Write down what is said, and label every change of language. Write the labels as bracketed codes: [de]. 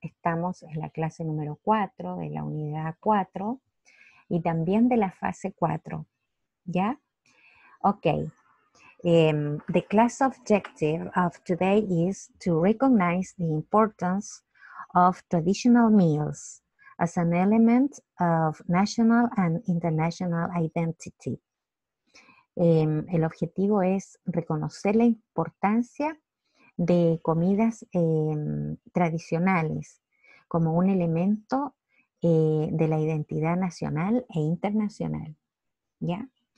[es] Estamos en la clase número 4 de la unidad 4 y también de la fase 4. ¿Ya? Ok. [en] The class objective of today is to recognize the importance of traditional meals as an element of national and international identity. [es] El objetivo es reconocer la importancia de comidas tradicionales como un elemento de la identidad nacional e internacional. ¿Ya?